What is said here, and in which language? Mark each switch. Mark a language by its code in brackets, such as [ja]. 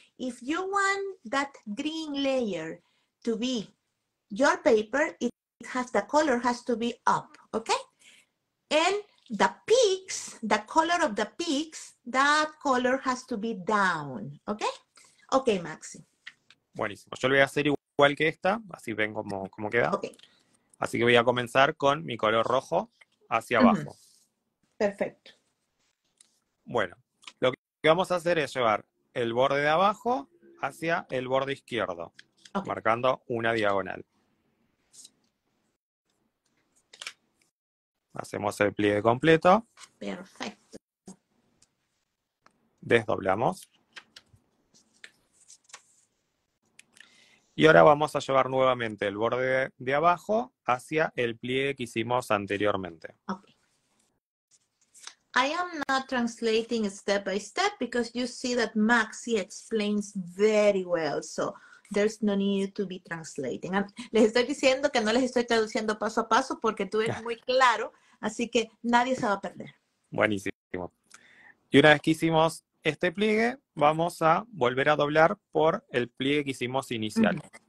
[en] If you want that green layer to be your paper, the color has to be up, okay? And the peaks, the color of the peaks, that color has to be down, okay? Okay, Maxi. [es] Buenísimo. Yo lo voy a hacer igual que esta, así ven cómo queda. Okay. Así que voy a comenzar con mi color rojo hacia abajo. Perfecto. Bueno, lo que vamos a hacer es llevar el borde de abajo hacia el borde izquierdo, marcando una diagonal. Hacemos el pliegue completo. Perfecto. Desdoblamos. Y ahora vamos a llevar nuevamente el borde de abajo hacia el pliegue que hicimos anteriormente. [en] Okay. I am not translating step by step because you see that Maxi explains very well. So there's no need to be translating. [es] Les estoy diciendo que no les estoy traduciendo paso a paso porque tú eres muy claro, así que nadie se va a perder. Buenísimo. Y una vez que hicimos este pliegue, vamos a volver a doblar por el pliegue que hicimos inicial.